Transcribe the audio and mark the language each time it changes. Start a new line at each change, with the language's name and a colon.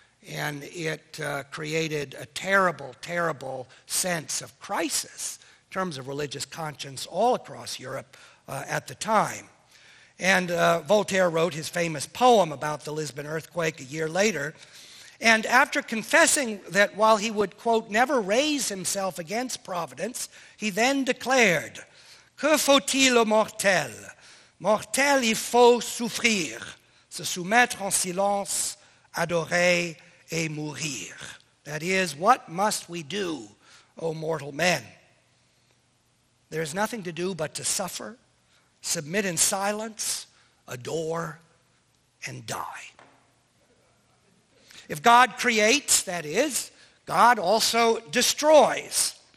English: And it created a terrible, terrible sense of crisis in terms of religious conscience all across Europe at the time. And Voltaire wrote his famous poem about the Lisbon earthquake a year later. And after confessing that while he would, quote, never raise himself against providence, he then declared,
French: que faut-il au mortel? Mortel, il faut souffrir, se soumettre en silence, adorer et mourir.
English: That is, what must we do, O mortal men? There is nothing to do but to suffer, submit in silence, adore, and die. If God creates, that is, God also destroys.